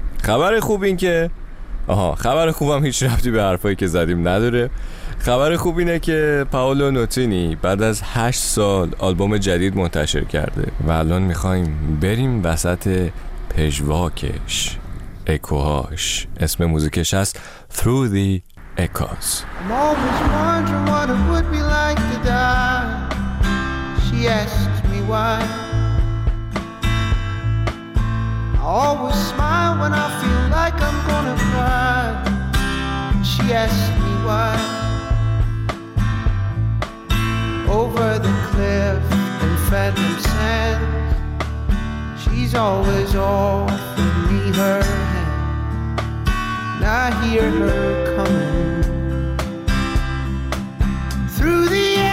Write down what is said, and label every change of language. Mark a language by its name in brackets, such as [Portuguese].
[Persian] خبر خوب این که خبر خوبم هیچ ربطی به حرفایی که زدیم نداره. خبر خوب اینه که پائولو نوتینی بعد از 8 سال آلبوم جدید منتشر کرده و الان میخوایم بریم وسط پژواکش، اکوهاش. اسم موزیکش هست Through the Echoes. [English] I'm always wondering what it would be like to die. She asks me why. I always smile when I feel like I'm gonna cry. She asks me why. Over the cliff in phantom sands, she's always offering me her hand. And I hear her coming through the